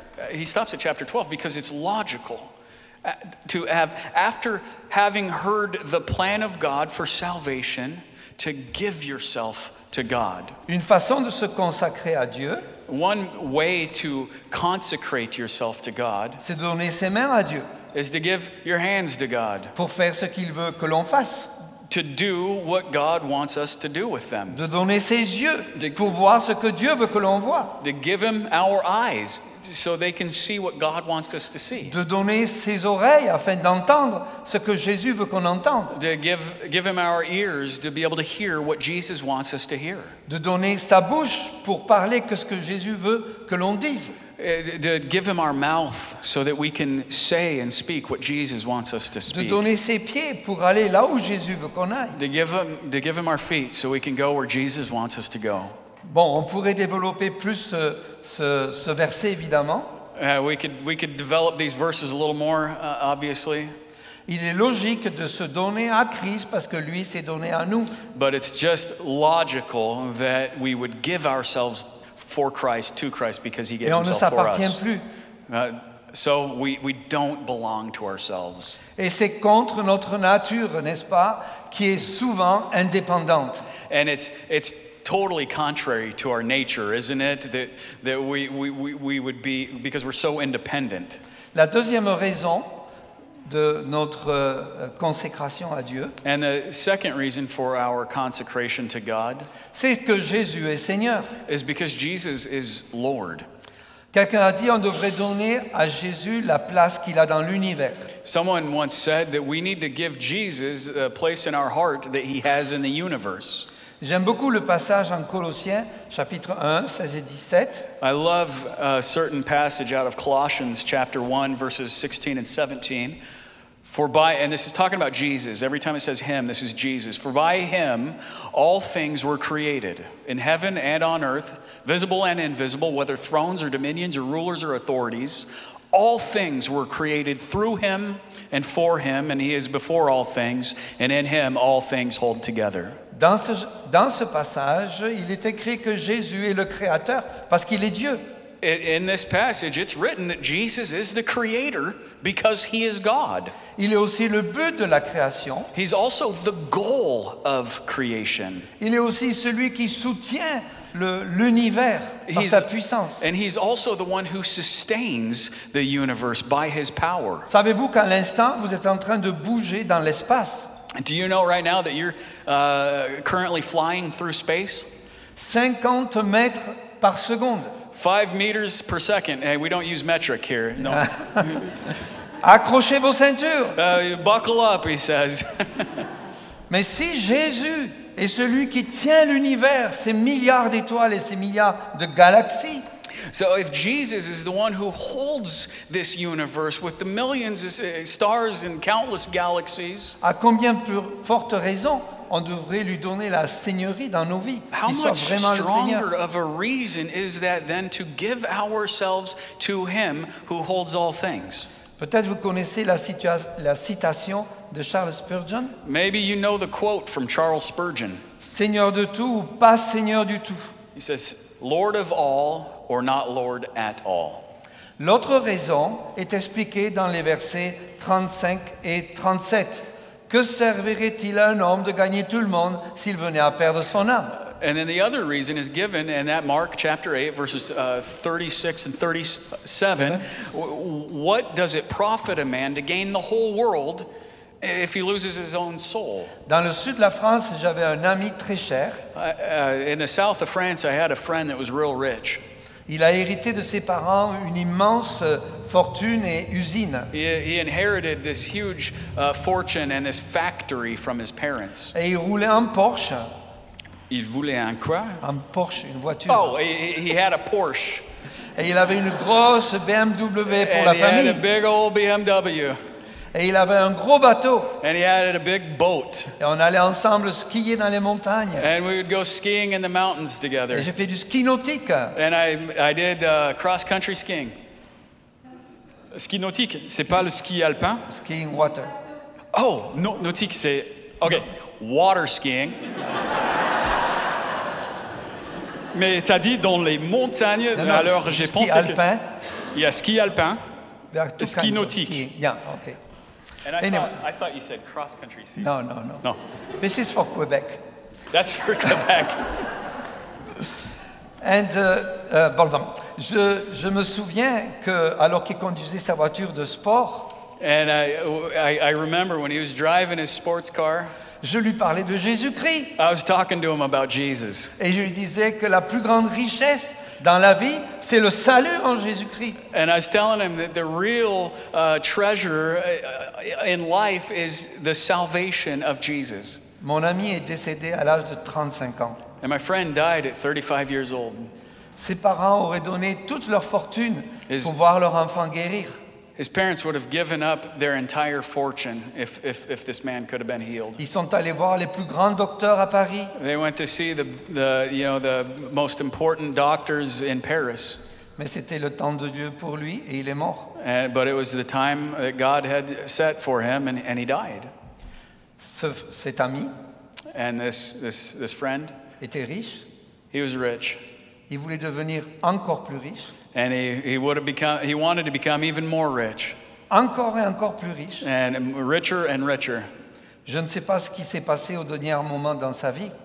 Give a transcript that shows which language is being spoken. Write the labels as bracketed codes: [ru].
[en] He stops at chapter 12 because it's logical to have, after having heard the plan of God for salvation, to give yourself to God. [fr] Une façon de se consacrer à Dieu. [en] One way to consecrate yourself to God. [fr] C'est donner ses mains à Dieu. [en] Is to give your hands to God. [fr] Pour faire ce qu'il veut que l'on fasse. [en] To do what God wants us to do with them. [fr] De donner ses yeux pour voir ce que Dieu veut que l'on voit. [en] To give him our eyes so they can see what God wants us to see. [fr] De donner ses oreilles afin d'entendre ce que Jésus veut qu'on entende. [en] To give him our ears to be able to hear what Jesus wants us to hear. [fr] De donner sa bouche pour parler que ce que Jésus veut que l'on dise. [en] To give him our mouth so that we can say and speak what Jesus wants us to speak. [fr] De donner ses pieds pour aller là où Jésus veut qu'on aille. [en] To give him our feet so we can go where Jesus wants us to go. [fr] Bon, on pourrait développer plus ce verset, évidemment. [en] We could develop these verses a little more, obviously. [fr] Il est logique de se donner à Christ parce que lui s'est donné à nous. [en] But it's just logical that we would give ourselves for Christ, to Christ, because he gave himself for us. [fr] Et on ne s'appartient plus. [en] So we don't belong to ourselves. [fr] Et c'est contre notre nature, n'est-ce pas, qui est souvent indépendante. [en] And it's totally contrary to our nature, isn't it, that we would be, because we're so independent. [fr] La deuxième raison de notre consécration à Dieu. [en] And the second reason for our consecration to God, [fr] c'est que Jésus est Seigneur. [en] Is because Jesus is Lord. [fr] Quelqu'un a dit on devrait donner à Jésus la place qu'il a dans l'univers. [en] Someone once said that we need to give Jesus a place in our heart that he has in the universe. [fr] J'aime beaucoup le passage en Colossiens, chapitre 1, 16 et 17. [en] I love a certain passage out of Colossians, chapter 1, verses 16 and 17. And this is talking about Jesus. Every time it says him, this is Jesus. For by him, all things were created, in heaven and on earth, visible and invisible, whether thrones or dominions or rulers or authorities. All things were created through him and for him, and he is before all things, and in him all things hold together. [fr] Dans ce passage, il est écrit que Jésus est le créateur parce qu'il est Dieu. [en] In this passage, it's written that Jesus is the creator because he is God. [fr] Il est aussi le but de la création. [en] He's also the goal of creation. [fr] Il est aussi celui qui soutient l'univers par sa puissance. [en] And he's also the one who sustains the universe by his power. [fr] Savez-vous qu'à l'instant, vous êtes en train de bouger dans l'espace? [en] Do you know right now that you're currently flying through space? [fr] 50 mètres par seconde. [en] 5 meters per second. Hey, we don't use metric here. No. [fr] Accrochez vos ceintures. [en] Buckle up, he says. [fr] Mais si Jésus est celui qui tient l'univers, ses milliards d'étoiles et ses milliards de galaxies. [en] So if Jesus is the one who holds this universe with the millions of stars and countless galaxies, [fr] à combien plus forte raison on devrait lui donner la seigneurie dans nos vies? [en] How much stronger of a reason is that than to give ourselves to him who holds all things? [fr] Peut-être vous connaissez la citation de Charles Spurgeon. [en] Maybe you know the quote from Charles Spurgeon. [fr] Seigneur de tout ou pas seigneur du tout. [en] He says, Lord of all or not Lord at all. [fr] L'autre raison est expliquée dans les versets 35 et 37. Que servirait-il à un homme de gagner tout le monde s'il venait à perdre son âme? [en] And then the other reason is given in that Mark chapter 8, verses 36 and 37. What does it profit a man to gain the whole world if he loses his own soul? [fr] Dans le sud de la France, j'avais un ami très cher. [en] In the south of France, I had a friend that was real rich. [fr] Il a hérité de ses parents une immense fortune et usine. [en] He inherited this huge fortune and this factory from his parents. [fr] Et il roulait en Porsche. Il voulait un quoi? Un Porsche, une voiture. [en] Oh, he had a Porsche. [fr] Et il avait une grosse BMW pour [en] and [fr] la famille. [en] Had a big old BMW. [fr] Et il avait un gros bateau. [en] And he had a big boat. [fr] Et on allait ensemble skier dans les montagnes. [en] And we would go skiing in the mountains together. [fr] Et j'ai fait du ski nautique. [en] And I did cross-country skiing. [fr] Ski nautique, c'est pas le ski alpin? [en] Skiing water. Oh, no, [fr] nautique, c'est... [en] Okay, no. Water skiing. [fr] Mais tu as dit dans les montagnes, non, non, alors j'ai pensé ski alpin. Que... Il y a ski alpin, ski nautique. [en] Yeah, okay. And I thought you said cross-country ski. No, no, no. No. This is for Quebec. That's for Quebec. And, [fr] pardon, je me souviens que, alors qu'il conduisait sa voiture de sport, [en] and I remember when he was driving his sports car, [fr] je lui parlais de Jésus-Christ. [en] I was talking to him about Jesus. [fr] Et je lui disais que la plus grande richesse dans la vie, c'est le salut en Jésus-Christ. [en] And I was telling him that the real treasure in life is the salvation of Jesus. [fr] Mon ami est décédé à l'âge de 35 ans. [en] And my friend died at 35 years old. [fr] Ses parents auraient donné toute leur fortune pour voir leur enfant guérir. [en] His parents would have given up their entire fortune if this man could have been healed. [fr] Ils sont allés voir les plus grands docteurs à Paris. [en] They went to see the most important doctors in Paris. [fr] Mais c'était le temps de Dieu pour lui et il est mort. [en] But it was the time that God had set for him and he died. [fr] Cet ami [en] and this friend [fr] était riche. [en] He was rich. [fr] Il voulait devenir encore plus riche. [en] And he wanted to become even more rich. [fr] Encore et encore plus riche. [en] And richer and richer. [fr] Je ne sais pas ce qui s'est passé au dernier moment dans sa vie.